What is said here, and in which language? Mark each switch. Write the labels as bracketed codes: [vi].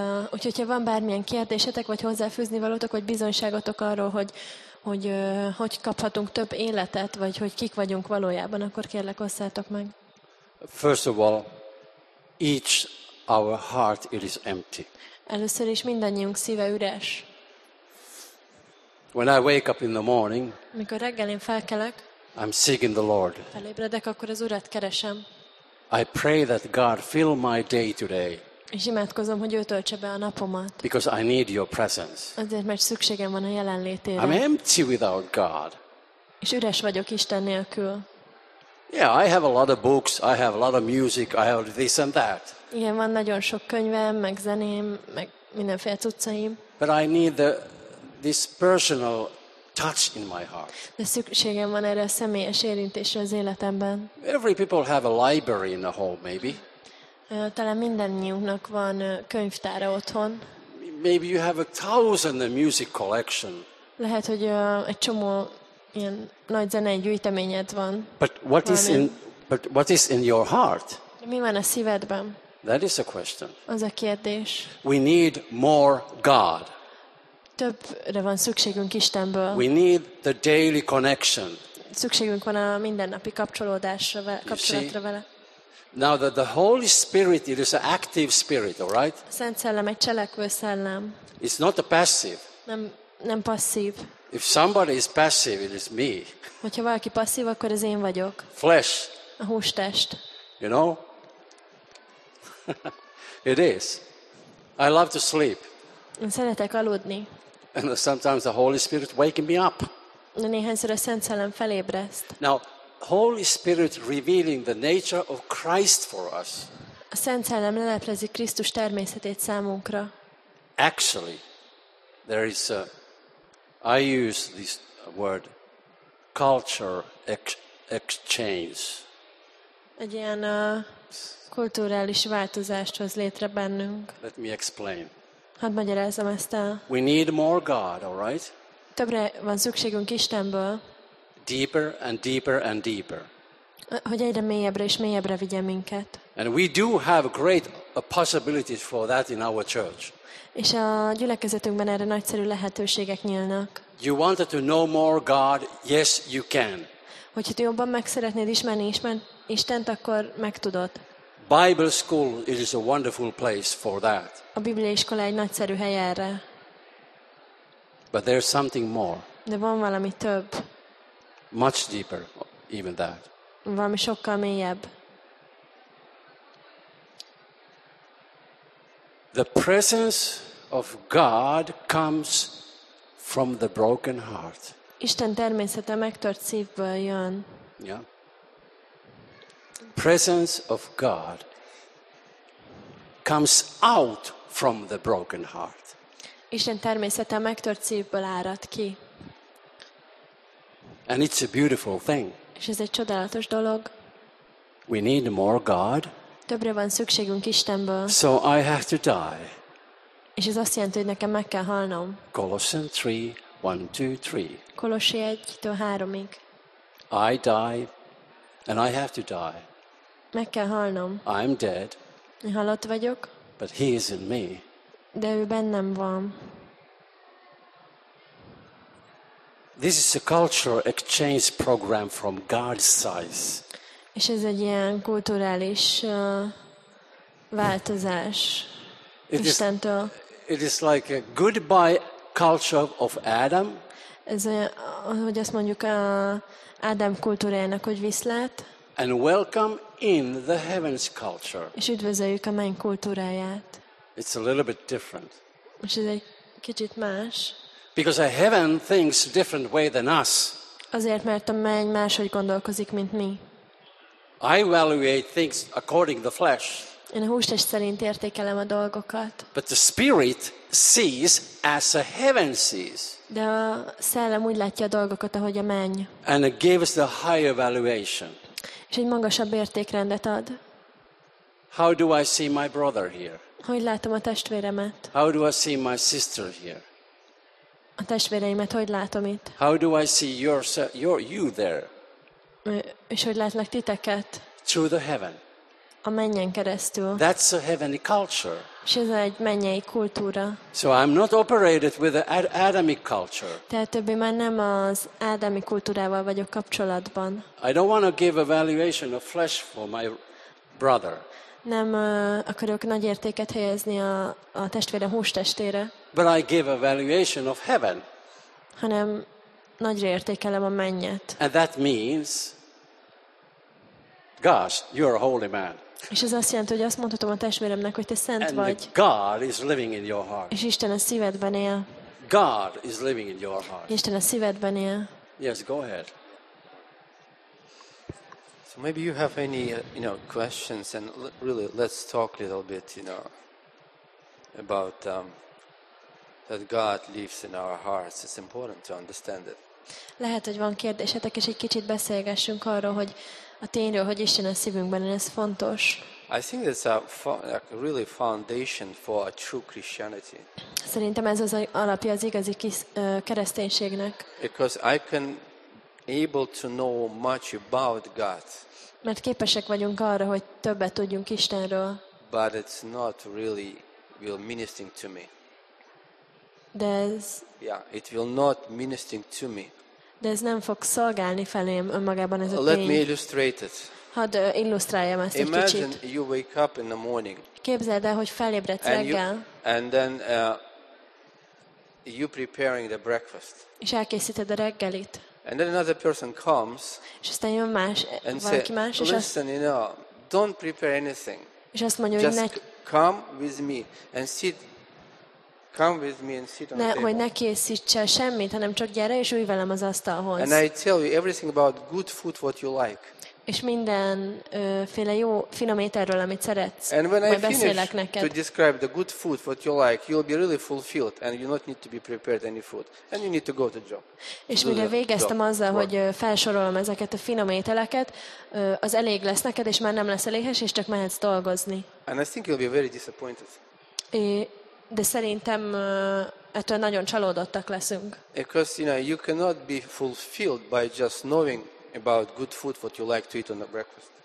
[hu] Úgyhogy ha van bármilyen kérdésetek vagy hozzáfűzni valótok, vagy bizonyságotok arról, hogy kaphatunk több életet, vagy hogy kik vagyunk valójában, akkor kérlek osszátok meg. [en] First of all, each our heart it is empty. [hu] Először is mindannyiunk szíve üres. [en] When I wake up in the morning, [hu] mikor reggel én felkelek, [en] I'm seeking the Lord. [hu] Felébredek, akkor az Urat keresem. [en] I pray that God fill my day today. [hu] És imádkozom, hogy ő töltse be a napomat. [en] Because I need your presence. [hu] Azért, mert szükségem van a jelenlétére. [en] I'm empty without God. [hu] És üres vagyok Isten nélkül. [en] Yeah, I have a lot of books, I have a lot of music, I have this and that. [hu] Igen, van nagyon sok könyvem, meg zeném, meg mindenféle cuccaim. [en] But I need this personal touch in my heart. [hu] De szükségem van erre a személyes érintésre az életemben. [en] Every people have a library in the home, maybe. [hu] Talán mindannyiunknak van könyvtára otthon. [en] Maybe you have a thousand music collection. [hu] Lehet, hogy egy csomó ilyen nagy zenei gyűjteményed van. [en] But what is in your heart? [hu] Mi van a szívedben? [en] That is a question. [hu] Az a kérdés. [en] We need more God. [hu] Többre van szükségünk Istenből. [en] We need the daily connection. [hu] Szükségünk van a mindennapi kapcsolatra vele. [en] Now that the Holy Spirit it is an active spirit, all right? [hu] Szent Szellem egy cselekvő szellem. [en] It's not a passive. [hu] Nem passzív. [en] If somebody is passive, it is me. [hu] Hogyha valaki passzív, akkor ez én vagyok. [en] Flesh. [hu] A hústest. [en] You know? It is. I love to sleep. [hu] Én szeretek aludni. [en] And sometimes the Holy Spirit waking me up. [hu] De néhányszor a Szent Szellem felébreszt. [en] Now, Holy Spirit revealing the nature of Christ for us. [hu] A Szent Szellem leleplezi Krisztus természetét számunkra. [en] Actually, there is a, I use this word, culture exchange. [hu] Egy ilyen kulturális változást hoz létre bennünk. [en] Let me explain. [hu] Hadd magyarázzam ezt el. [en] We need more God, all right? [hu] Többre van szükségünk Istenből. [en] Deeper and deeper and deeper. [hu] Hogy egyre mélyebbre és mélyebbre vigye minket. [en] And we do have great possibilities for that in our church. [hu] És a gyülekezetünkben erre nagyszerű lehetőségek nyílnak. [en] You wanted to know more God? Yes, you can. [hu] Hogyha te jobban meg szeretnéd ismerni Istent, akkor megtudod. [en] Bible school is a wonderful place for that. [hu] A Biblia iskola egy nagyszerű hely erre. [en] But there's something more. [hu] De van valami több. [en] Much deeper, even that. [hu] Valami sokkal mélyebb. [en] The presence of God comes from the broken heart. [hu] Isten természete megtört szívből jön. [en] Yeah. Presence of God comes out from the broken heart. [hu] Isten természete megtört szívből árad ki. [en] And it's a beautiful thing. [hu] És ez egy csodálatos dolog. [en] We need more God. [hu] Többre van szükségünk Istenből. [en] So I have to die. [hu] És ez azt jelenti, hogy nekem meg kell halnom. [en] Colossians 3, 1, 2, 3. [hu] Kolossi 1-3-ig. [en] I die and I have to die. [hu] Meg kell halnom. [en] I'm dead. [hu] Én halott vagyok. [en] But he is in me. [hu] De ő bennem van. [en] This is a cultural exchange program from God's size. [hu] És ez egy ilyen kulturális változás Istentől. [en] It is like a goodbye culture of Adam. [hu] Ez olyan, hogy azt mondjuk Adam kultúrájának, hogy viszlát. [en] And welcome in the heavens culture. [hu] És üdvözöljük a menny kultúráját. [en] It's a little bit different. [hu] És ez egy kicsit más. [en] Because a heaven thinks different way than us. [hu] Azért, mert a menny máshogy gondolkozik, mint mi. [en] I evaluate things according to the flesh. [hu] Én a hústest szerint értékelem a dolgokat. [en] But the spirit sees as a heaven sees. [hu] De a szellem úgy látja a dolgokat, ahogy a menny. [en] And it gives the higher evaluation. [hu] És egy magasabb értékrendet ad. [en] How do I see my brother here? [hu] Hogy látom a testvéremet? [en] How do I see my sister here? [hu] A testvéreimet hogy látom itt? [en] How do I see you there? [hu] És hogy látlak titeket? [en] Through the heaven. [hu] A mennyen keresztül. [en] That's a heavenly culture. [hu] És ez egy mennyei kultúra. [en] So I'm not operated with the Adamic culture. [hu] Tehát többé már nem az ádámi kultúrával vagyok kapcsolatban. [en] I don't want to give a valuation of flesh for my brother. [hu] Nem akarok nagy értéket helyezni a testvérem hústestére. [en] But I give a valuation of heaven. [hu] Hanem nagyra értékelem a mennyet. [en] And that means, gosh, you're a holy man. [hu] És ez azt jelenti, hogy azt mondhatom a testvéremnek, hogy te szent vagy. [en] And God is living in your heart. [hu] És Isten a szívedben él. [en] God is living in your heart. [hu] Isten a szívedben él. [en] Yes, go ahead. So maybe you have any, you know, questions, and really let's talk a little bit, you know, about that God lives in our hearts. It's important to understand it. [hu] Lehet, hogy van kérdésetek, és egy kicsit beszélgessünk arról, hogy a tényről, hogy Isten a szívünkben, ez fontos. [en] I think that's a really foundation for a true Christianity. [hu] Szerintem ez az alapja az igazi kereszténységnek. [en] Because I can able to know much about God. [hu] Mert képesek vagyunk arra, hogy többet tudjunk Istenről. [en] But it's not really will ministering to me. [hu] De ez, [en] yeah, it will not ministering to me. [hu] De ez nem fog szolgálni felém önmagában ez a tény. [en] Let me illustrate it. [hu] Hadd illusztráljam ezt egy kicsit. [en] Imagine you wake up in the morning. [hu] Képzeld el, hogy felébredsz reggel. [en] And then you preparing the breakfast. [hu] És elkészíted a reggelit. [en] And then another person comes. [hu] És aztán jön más, [en] and [hu] valaki más, [en] say, listen, you know, don't prepare anything. [hu] És azt mondja, hogy [en] Come with me and sit on the table. [hu] Hogy ne készítsél semmit, hanem csak gyere és ülj velem az asztalhoz. [en] And I tell you everything about good food what you like. [hu] és minden féle jó finom ételről, amit szeretsz. [en] And when [hu] majd [en] I finish [hu] neked, [en] to describe the good food what you like, you'll be really fulfilled and you not need to be prepared any food and you need to go to job. [hu] És mire végeztem azzal, hogy felsorolom ezeket a finom ételeket, az elég lesz neked, és már nem lesz éhes, és csak mehetsz dolgozni. [en] And I think you'll be very disappointed. [hu] De szerintem ettől nagyon csalódottak leszünk. [en] Because you know, you cannot be fulfilled by just knowing about good food what you like to eat on the breakfast.